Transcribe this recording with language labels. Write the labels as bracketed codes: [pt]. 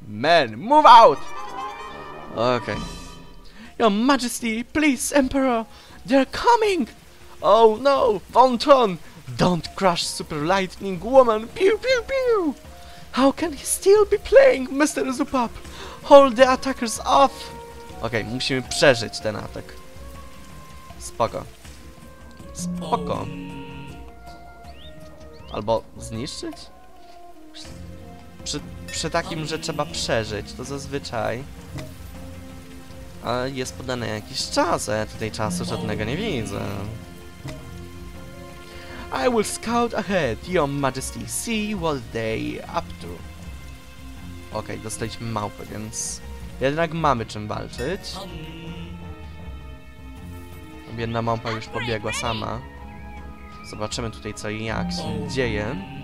[en] Man, move out! Okay. Your Majesty, please, Emperor! They're coming! Oh no, Voltron! Don't crush Super Lightning Woman! Pew pew pew! How can he still be playing, Mr. Zupap? Hold the attackers off! [pl] Okay, musimy przeżyć ten atak. Spoko. Spoko. Albo zniszczyć? Przy takim, że trzeba przeżyć, to zazwyczaj... Ale jest podany jakiś czas, a ja tutaj czasu żadnego nie widzę. [en] I will scout ahead, your majesty. See what they up to. [pl] Okej, dostaliśmy małpę, więc... Jednak mamy czym walczyć. Biedna małpa już pobiegła sama. Zobaczymy tutaj co i jak się dzieje.